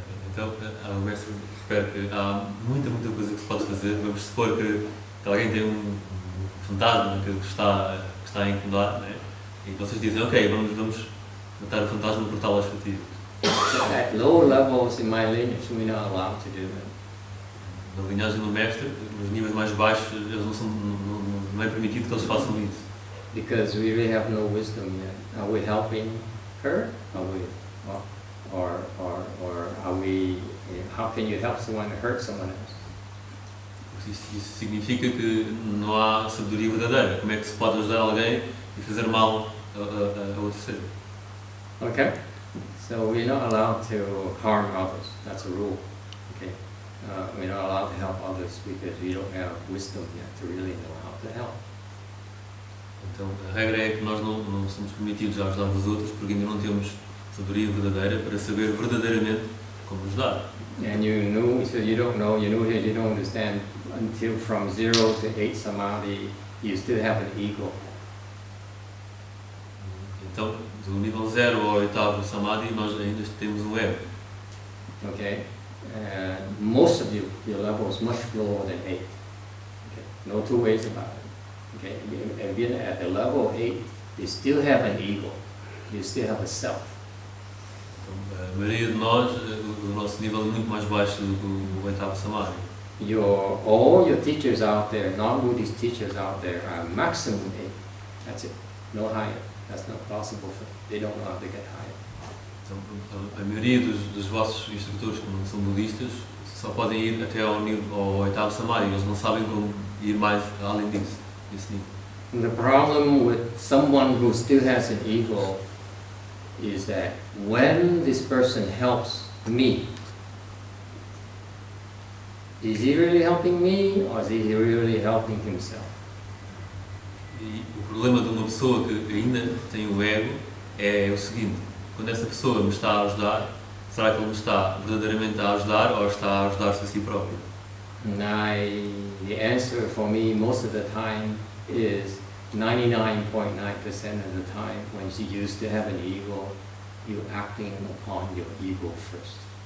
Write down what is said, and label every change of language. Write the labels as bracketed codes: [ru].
[pt] Então, o mestre espera que há muita coisa que se pode fazer. Vamos supor que alguém tem um fantasma que está a incomodar, né? E vocês dizem, ok, vamos matar o fantasma e cortá-lo às fatias. [en] At low levels in my lineage, we're not allowed to do that. [pt] Na linhagem do mestre, nos níveis mais baixos, eles não é permitido que eles façam isso. [en] Because we really have no wisdom yet. Are we helping her? Are we? Or are we? How can you help someone hurt someone else? [pt] Isso significa que não há sabedoria verdadeira. Como é que se pode ajudar alguém e fazer mal a outro ser? [en] Okay. So we're not allowed to harm others. That's a rule. Okay. We're not allowed to help others because we don't have wisdom yet to really know how to help. [pt] Então a regra é que nós não somos permitidos a ajudar os outros porque ainda não temos sabedoria verdadeira para saber verdadeiramente como ajudar. [en] And you knew, so you don't know, you knew here, you don't understand until from 0 to 8 samadhi, you still have an ego. [pt] Então, do nível 0 ao 8º samadhi, nós ainda temos um ego. [en] Ok? Most of you, your level is much lower than 8. Okay. No two ways about it. Okay? And being at the level of 8, you still have an ego. You still have a self. [pt] Então, a maioria de nós, o nosso nível é muito mais baixo do que o 8º samadhi. [en] All your teachers out there, non-Buddhist teachers out there, are maximum 8. That's it. No higher. That's not possible for them. They don't know how to get higher. [pt] Então, a maioria dos vossos instrutores, que não são budistas, só podem ir até ao 8º samadhi. Eles não sabem como ir mais além desse nível. [en] And the problem with someone who still has an ego is that when this person helps me, is he really helping me or is he really helping himself? [pt] E o problema de uma pessoa que ainda tem o ego é o seguinte: quando essa pessoa me está a ajudar, Será que ele está verdadeiramente a ajudar ou está a ajudar-se a si próprio? [en] The answer for me most of the time is 99.9% of the time when you used to have an ego, you're acting upon your ego first.